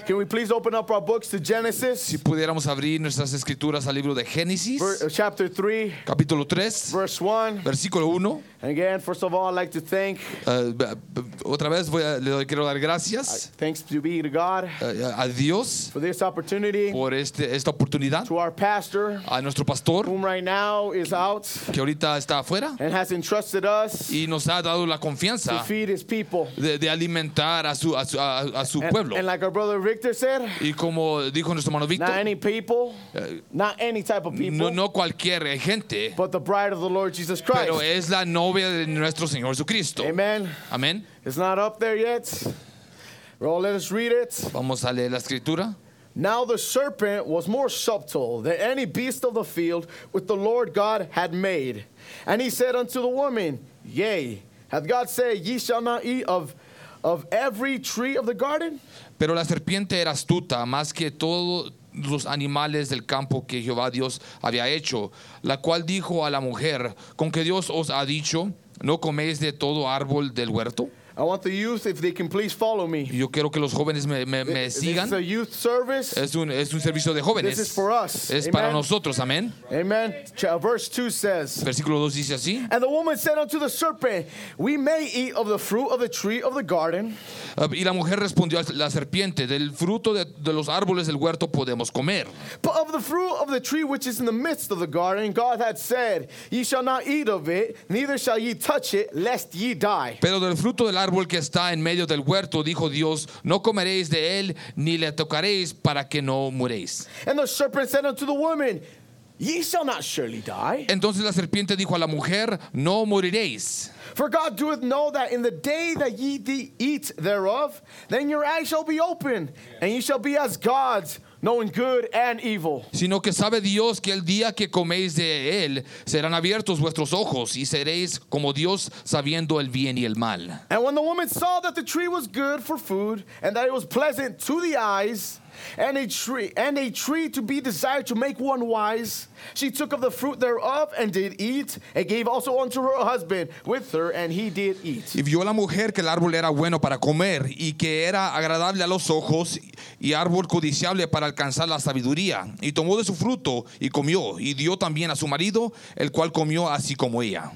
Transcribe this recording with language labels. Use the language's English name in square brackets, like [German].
[English] Can we please open up our books to Genesis? [Spanish] Si pudiéramos abrir nuestras escrituras al libro de Génesis, [English] chapter 3, [Spanish] capítulo 3, [English] verse 1, [Spanish] versículo 1. [English] And again, first of all, I'd like to thank. [Spanish] Otra vez le quiero dar gracias. [English] Thanks to be to God. [Spanish] A Dios. [English] For this opportunity. [Spanish] Por esta oportunidad. [English] To our pastor. [Spanish] A nuestro pastor. [English] Whom right now is out. [Spanish] Que ahorita está afuera. [English] And has entrusted us. [Spanish] Y nos ha dado la confianza. [English] To feed his people. [Spanish] De alimentar a su pueblo. [English] And like our brother Victor said. [Spanish] Y como dijo nuestro hermano Victor. [English] Not any people. Not any type of people. [Spanish] No cualquier gente. [English] But the bride of the Lord Jesus Christ. [Spanish] Pero es la novia de nuestro Señor Jesucristo. [English] Amen. [Spanish] Amen. [English] It's not up there yet. Well, let us read it. [Spanish] Vamos a leer la escritura. [English] Now the serpent was more subtle than any beast of the field which the Lord God had made. And he said unto the woman, Yea, hath God said, Ye shall not eat of every tree of the garden? [Spanish] Pero la serpiente era astuta más que todos los animales del campo que Jehová Dios había hecho, la cual dijo a la mujer, con que Dios os ha dicho, no coméis de todo árbol del huerto. [English] I want the youth, if they can please follow me. [Spanish] Yo quiero que los jóvenes me sigan. [English] This is a youth service. [Spanish] Es un servicio de jóvenes. [English] This is for us. [Spanish] Es Amen. Para nosotros. Amen. [English] Amen. Verse 2 says. [Spanish] Versículo 2 dice así. [English] And the woman said unto the serpent, We may eat of the fruit of the tree of the garden. [Spanish] Y la mujer respondió a la serpiente, del fruto de los árboles del huerto podemos comer. [English] But of the fruit of the tree which is in the midst of the garden, God had said, Ye shall not eat of it, neither shall ye touch it, lest ye die. [Spanish] Pero del fruto del árbol que está en medio del huerto, dijo Dios, no comeréis de él ni le tocaréis para que no muréis. [English] And the serpent said unto the woman, Ye shall not surely die. [Spanish] Entonces la serpiente dijo a la mujer, no moriréis. [English] For God doeth know that in the day that ye eat thereof, then your eyes shall be open, and ye shall be as gods, knowing good and evil. [Spanish] Sino que sabe Dios que el día que coméis de él serán abiertos vuestros ojos y seréis como Dios sabiendo el bien y el mal. [English] And when the woman saw that the tree was good for food and that it was pleasant to the eyes and a tree to be desired to make one wise, she took of the fruit thereof and did eat and gave also unto her husband with her and he did eat. [Spanish] Y vio la mujer que el árbol era bueno para comer y que era agradable a los ojos y árbol codiciable para alcanzar la sabiduría. Y tomó de su fruto y comió y dio también a su marido, el cual comió así como ella.